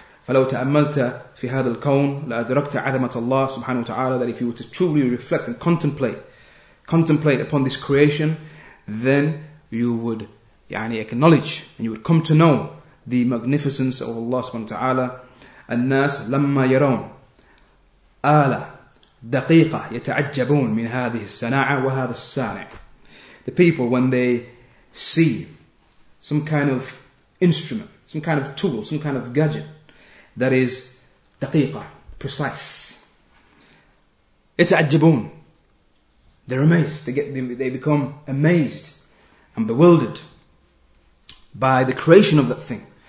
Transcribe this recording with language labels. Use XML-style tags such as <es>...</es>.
<ar>فَلَوْ تَأَمَّلْتَ فِي هَذَا الْكَوْنِ لَأَدْرَكْتَ عَظَمَةَ اللَّهِ</ar> <en>subhanahu wa ta'ala, that if you were to truly reflect and contemplate upon this creation, then you would acknowledge and you would come to know the magnificence of Allah subhanahu wa ta'ala.</en> <ar>الناس لما يرون آلة دقيقة يتعجبون من هذه الصناعة وهذا الصانع.</ar> <en>The people, when they see some kind of instrument, some kind of tool, some kind of gadget that is دقيقة, precise, يتعجبون, they're amazed, they become amazed and bewildered by the creation of that thing,</en>